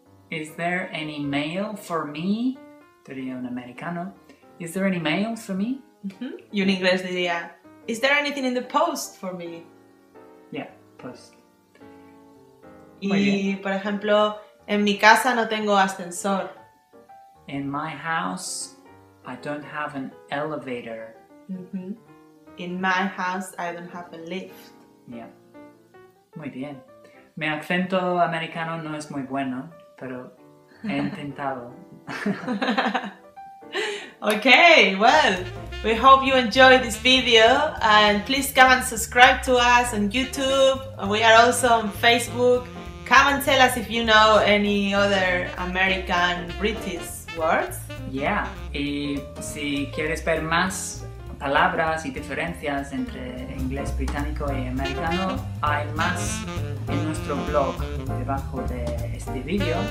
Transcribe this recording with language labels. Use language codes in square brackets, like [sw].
[en] Is there any mail for me? [es] Diría un americano. [en] Is there any mail for me? [es] Mm-hmm. Y en inglés diría, [en] is there anything in the post for me? Yeah, post. [es] Y, por ejemplo, en mi casa no tengo ascensor. [en] In my house, I don't have an elevator. Mm-hmm. In my house, I don't have a lift. [es] Yeah. Muy bien. Mi acento americano no es muy bueno, pero he intentado. [en] Okay, well, we hope you enjoyed this video. And please come and subscribe to us on YouTube. We are also on Facebook. Come and tell us if you know any other American British words. [es] Yeah, y si quieres ver más palabras y diferencias entre inglés británico y americano, hay más en nuestro blog debajo de este video.